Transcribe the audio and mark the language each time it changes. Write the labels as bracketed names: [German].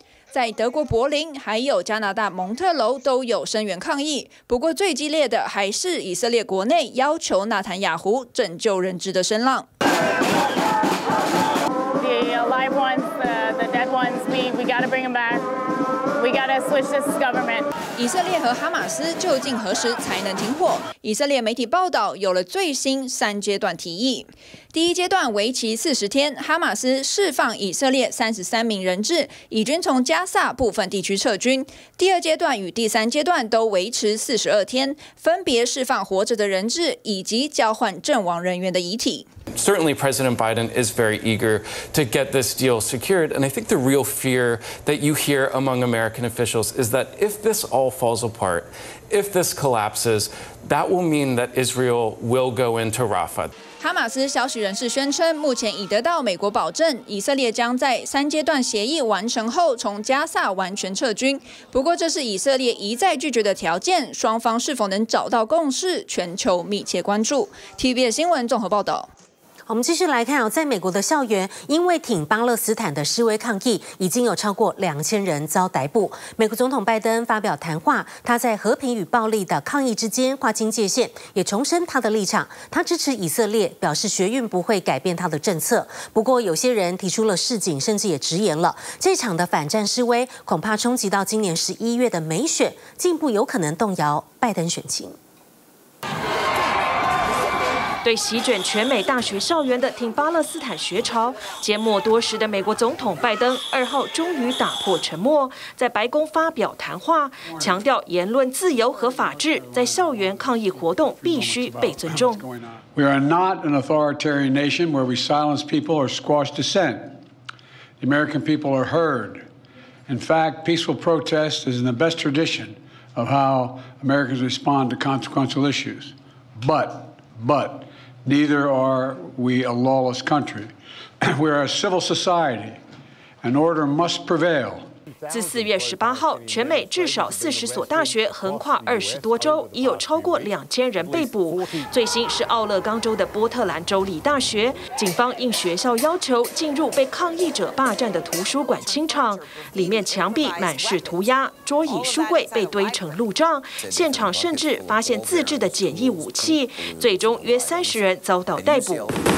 [Chinese] 在德国柏林，还有加拿大蒙特楼都有声援抗议。不过最激烈的还是以色列国内要求纳坦雅胡拯救人质的声浪。 [English] The alive ones, the dead ones, we gotta bring them back. We gotta switch this government. [Chinese] 以色列和哈马斯究竟何时才能停火？以色列媒体报道有了最新三阶段提议。第一阶段为期40天，哈马斯释放以色列33名人质，以军从加萨部分地区撤军。第二阶段与第三阶段都维持42天，分别释放活着的人质以及交换阵亡人员的遗体。 [English] Certainly, President Biden is very eager to get this deal secured, and I think the real fear that you hear among American officials is that if this all falls apart, if this collapses, that will mean that Israel will go into Rafah. [Chinese] 哈马斯消息人士宣称，目前已得到美国保证，以色列将在三阶段协议完成后从加萨完全撤军。不过，这是以色列一再拒绝的条件，双方是否能找到共识，全球密切关注。 TVB 新闻综合报道。我们继续来看，在美国的校园，因为挺巴勒斯坦的示威抗议，已经有超过2000人遭逮捕。美国总统拜登发表谈话，他在和平与暴力的抗议之间划清界限，也重申他的立场。他支持以色列，表示学运不会改变他的政策。不过，有些人提出了示警，甚至也直言了，这场的反战示威恐怕冲击到今年11月的美选，进一步有可能动摇拜登选情。对席卷全美大学校园的挺巴勒斯坦学潮，缄默多时的美国总统拜登二号终于打破沉默，在白宫发表谈话，强调言论自由和法治在校园抗议活动必须被尊重。 [English] We are not an authoritarian nation where we silence people or squash dissent. The American people are heard. In fact, peaceful protest is in the best tradition of how Americans respond to consequential issues. But, neither are we a lawless country. We are a civil society, and order must prevail. [Chinese] 自四月十八号，全美至少四十所大学横跨二十多州，已有超过2000人被捕。最新是奥勒冈州的波特兰州立大学，警方应学校要求进入被抗议者霸占的图书馆清场，里面墙壁满是涂鸦，桌椅书柜被堆成路障，现场甚至发现自制的简易武器，最终约30人遭到逮捕。